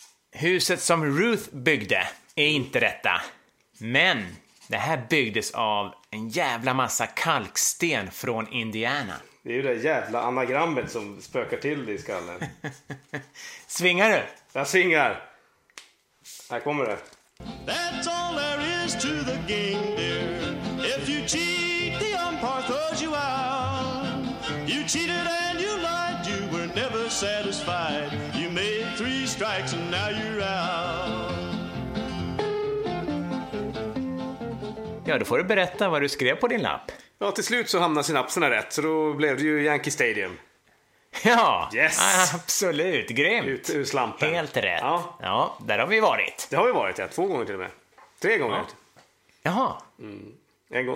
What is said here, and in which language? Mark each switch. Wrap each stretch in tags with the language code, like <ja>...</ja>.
<sv>Huset som Ruth byggde är inte detta, men det här byggdes av en jävla massa kalksten från Indiana. Det är ju det jävla anagrammet som spökar till dig i skallen. Svingar du? Jag svingar. Här kommer det.</sv> <en>That's all there is to the game, dear. If you cheat, the umpire throws you out. You cheated and you lied, you were never satisfied. You made three strikes and now you're out.</en> <sv>Ja, då får du berätta vad du skrev på din lapp. Ja, till slut så hamnade synapserna rätt, så då blev det ju Yankee Stadium. Ja,</sv> <en>yes.</en> <sv>Absolut, grymt. Ut ur slampen. Helt rätt. Ja. Ja, där har vi varit. Det har vi varit, ja, två gånger till och med. Tre gånger. Ja. Jaha. Mm. En gång.</sv>